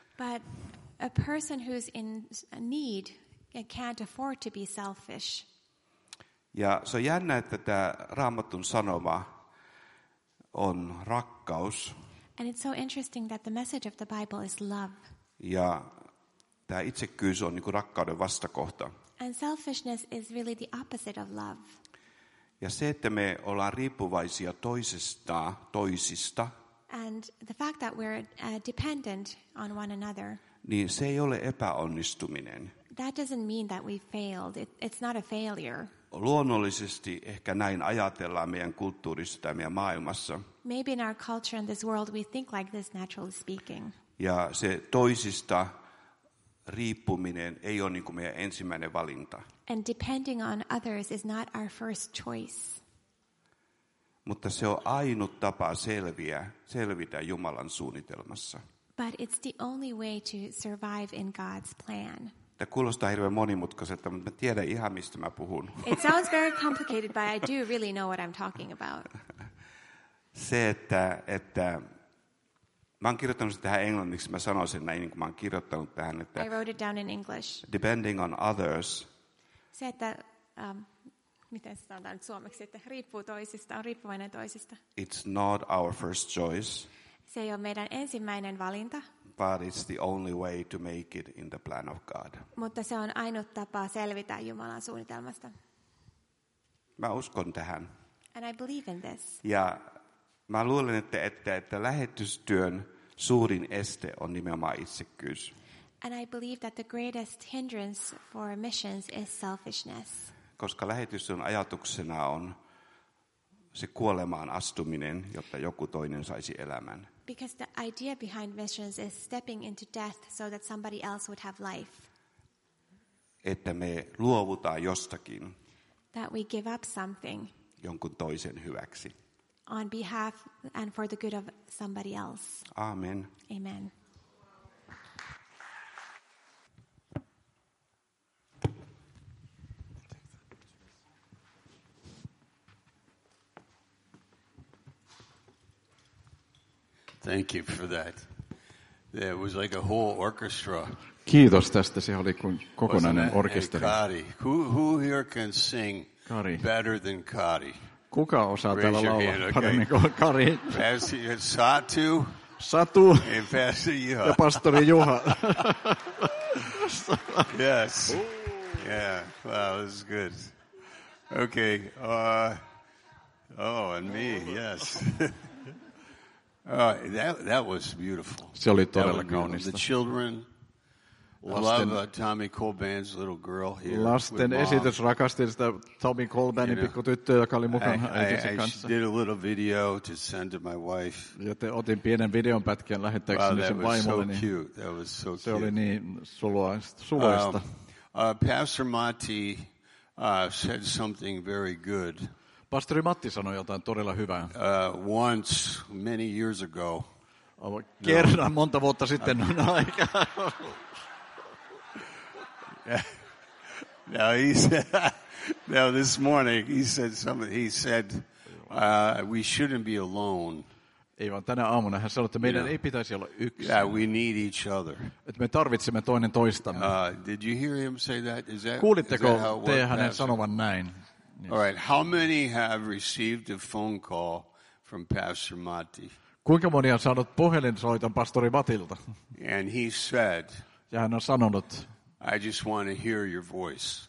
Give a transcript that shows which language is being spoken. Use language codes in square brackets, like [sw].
[en] But a person who's in need can't afford to be selfish. [fi] Ja se on jännä, että tämä Raamatun sanoma on rakkaus. [en] And it's so interesting that the message of the Bible is love. [fi] Ja tämä itsekkyys on niin kuin rakkauden vastakohta. [en] And selfishness is really the opposite of love. [fi] Ja se, että me ollaan riippuvaisia toisista. [en] And the fact that we're dependent on one another. [fi] Niin se ei ole epäonnistuminen. [en] That doesn't mean that we failed. It's not a failure. [fi] Luonnollisesti ehkä näin ajatellaan meidän kulttuurissa tai meidän maailmassa. [en] Maybe in our culture and this world we think like this, naturally speaking. [fi] Ja se toisista riippuminen ei ole niin kuin meidän ensimmäinen valinta. [en] And depending on others is not our first choice. [fi] Mutta se on ainut tapa selvitä Jumalan suunnitelmassa. [en] But it's the only way to survive in God's plan. [fi] Tämä kuulostaa hirveän monimutkaiselta, mutta mä tiedän ihan mistä mä puhun. [en] It sounds very complicated, but I do really know what I'm talking about. [fi] Se, että mä oon kirjoittanut sen tähän englanniksi, mä sanoisin näin, niin kuin mä oon kirjoittanut tähän, että [en] I wrote it down in English. Depending on others. [fi] Se, että miten se sanotaan nyt suomeksi, että riippuu toisista, on riippuvainen toisista. [en] It's not our first choice. [fi] Se ei ole meidän ensimmäinen valinta. [en] But it's the only way to make it in the plan of God. [fi] Mutta se on ainut tapa selvitä Jumalan suunnitelmasta. Mä uskon tähän. [en] And I believe in this. [fi] Ja mä luulen, että lähetystyön suurin este on nimenomaan itsekkyys. [en] And I believe that the greatest hindrance for missions is selfishness. [fi] Koska lähetystyön ajatuksena on se kuolemaan astuminen, jotta joku toinen saisi elämän. [en] Because the idea behind missions is stepping into death so that somebody else would have life. [fi] Että me luovutaan jostakin. [en] That we give up something. [fi] Jonkun toisen hyväksi. [en] On behalf and for the good of somebody else. Amen. Amen. Thank you for that. It was like a whole orchestra. [fi] Kiitos tästä. Se oli kuin kokonainen orkesteri. [en] Kari. Who here can sing Kari better than Kari? [fi] Kuka osaa täällä laulaa paremmin kuin Kari? Pastori Satu. Satu. [en] And Pastor Juha. [fi] Ja pastori Juha. [en] Yes. Ooh. Yeah. Wow, this is good. Okay. And me, yes. That was beautiful. [fi] Se oli todella kaunista. [en] The children, love Tommy Colban's little girl here. [fi] Lasten esitys, rakastin sitä Tommy Colbanin, [en] you know, [fi] pikkutyttöä, joka oli mukana äitisen kanssa. [en] I did a little video to send to my wife. [fi] Joten otin pienen videon pätkän lähettääkseni sen vaimolle. [en] So cute. That was so cute. [fi] Se oli niin suloista. [en] Pastor Matti said something very good. [fi] Pastori Matti sanoi jotain todella hyvää. [en] Once many years ago. [fi] Kerran no. Monta vuotta sitten on aika. [en] Now he said, now this morning he said something. He said we shouldn't be alone. [fi] Ei vaan tänä aamuna hän sanoi, että meidän ei pitäisi olla yksin. [en] Yeah, we need each other. [fi] Että me tarvitsemme toinen toistamme. [en] Did you hear him say that? Is that [fi] kuulitteko te hänen sanovan näin? [en] Yes. All right. How many have received a phone call from Pastor Matti? [fi] Kuinka moni on saanut puhelinsoiton pastori Matilta? [en] And he said, [fi] ja hän on sanonut, [en] I just want to hear your voice.